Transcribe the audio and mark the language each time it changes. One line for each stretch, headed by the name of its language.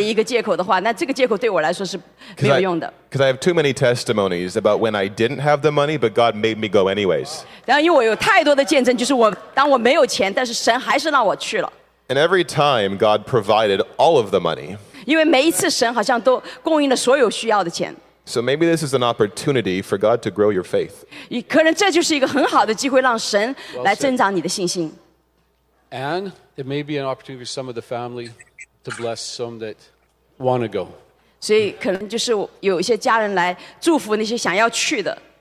Chinese: 如果这个钱是你的一个借口的话，那这个借口对我来说是没有用的。
English: Because I have too many testimonies about when I didn't have the money, but God made me go anyways.
Chinese: 然后因为我有太多的见证，就是我当我没有钱，但是神还是让我去了。
English: And every time God provided all of the money.
Chinese: 因为每一次神好像都供应了所有需要的钱。
English: So maybe this is an opportunity for God to grow your faith.
Chinese: 可能这就是一个很好的机会，让神来增长你的信心。
English: And it may be an opportunity for some of the family to bless some that want to go.
Chinese: 所以可能就是有一些家人来祝福那些想要去的。